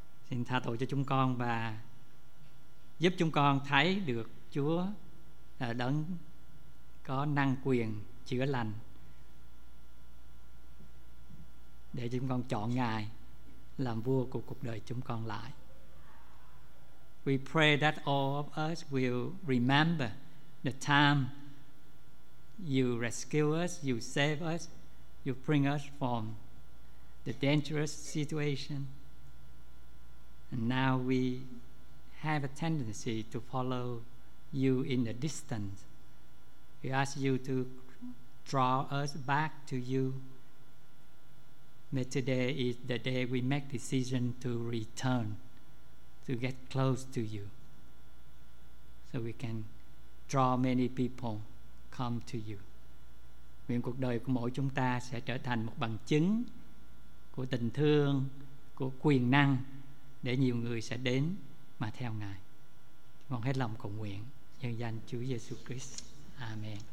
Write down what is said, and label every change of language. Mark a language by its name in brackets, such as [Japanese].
[Vietnamese] Xin tha tội cho chúng con và giúp chúng con thấy được Chúa là đấng có năng quyền chữa lành, để chúng con chọn Ngài làm vua của cuộc đời chúng con lại. [English] We pray that all of us will remember the time you rescue us, you save us, you bring us from the dangerous situation. And now we have a tendency to follow you in the distance. We ask you to draw us back to you. May today is the day we make decision to return, to get close to you, so we can draw many people come to you. [Vietnamese] Nguyện cuộc đời của mỗi chúng ta sẽ trở thành một bằng chứng của tình thương, của quyền năng, để nhiều người sẽ đến mà theo Ngài. Con hết lòng cầu nguyện nhân danh Chúa Giêsu Christ. Amen.